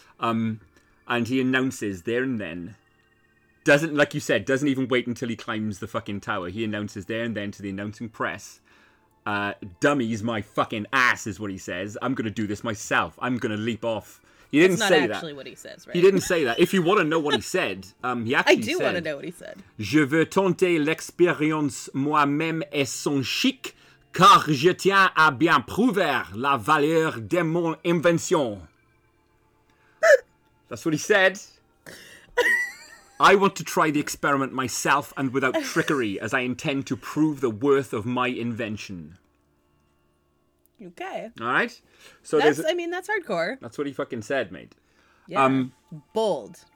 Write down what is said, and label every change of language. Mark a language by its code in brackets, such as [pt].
[en] And he announces there and then, doesn't, like you said, doesn't even wait until he climbs the fucking tower. He announces there and then to the announcing press, dummies, my fucking ass, is what he says. I'm going to do this myself. I'm going to leap off. He didn't That's say not that. Not actually what he says, right? He didn't say that. If you want to know what he said, he actually said... I do want to know what he said. [fr] Je veux tenter l'expérience moi-même et son chic, car je tiens à bien prouver la valeur de mon invention. [en] That's what he said. I want to try the experiment myself and without trickery, as I intend to prove the worth of my invention. Okay. All right. So that's hardcore. That's what he fucking said, mate. Yeah. Bold.